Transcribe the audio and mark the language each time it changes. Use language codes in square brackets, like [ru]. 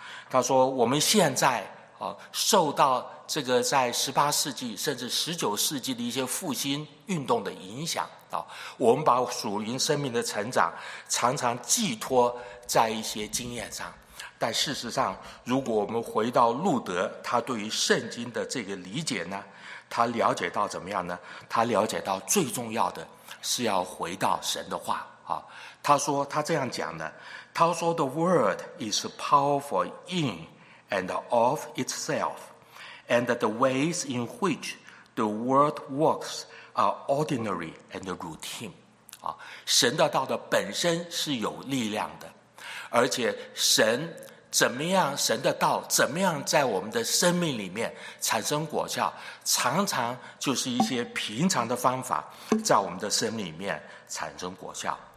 [zh] 他说我们现在受到这个在18世纪甚至19世纪的一些复兴运动的影响，我们把属灵生命的成长常常寄托在一些经验上，但事实上如果我们回到路德他对于圣经的这个理解呢，他了解到怎么样呢？他了解到最重要的是要回到神的话。他说他这样讲的，他说 [en] The word is powerful in and of itselfAnd the ways in which the world works are ordinary and routine. [zh] 神的道的本身是有力量的，而且神怎么样，神的道怎么样在我们的生命里面产生果效，常常就是一些平常的方法在我们的生命里面产生果效。